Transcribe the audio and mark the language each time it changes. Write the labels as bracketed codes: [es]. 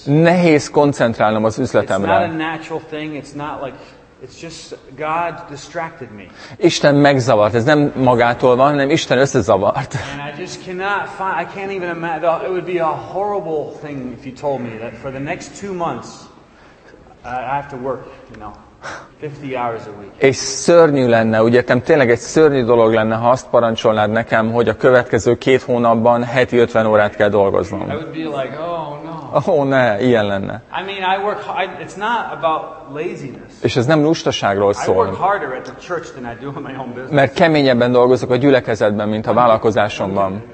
[hu] Nehéz koncentrálnom az üzletemre. [en] It's not a natural thing. It's not like it's just God distracted me. [hu] Isten megzavart. Ez nem magától van, hanem Isten összezavart. [en] And I just cannot find. I can't even imagine. It would be a horrible thing if you told me that for the next 2 months I have to work. You know. 50 hours a week. [hu] És szörnyű lenne, úgy értem, tényleg egy szörnyű dolog lenne, ha azt parancsolnád nekem, hogy a következő 2 hónapban heti 50 órát kell dolgoznom. [en] I would be like, oh no. [hu] Oh, ne, ilyen lenne. [en] I mean, I work hard. It's not about laziness. [hu] És ez nem lustaságról szól. [en] I work harder at the church than I do in my own business. [hu] Mert keményebben dolgozok a gyülekezetben, mint a vállalkozásomban.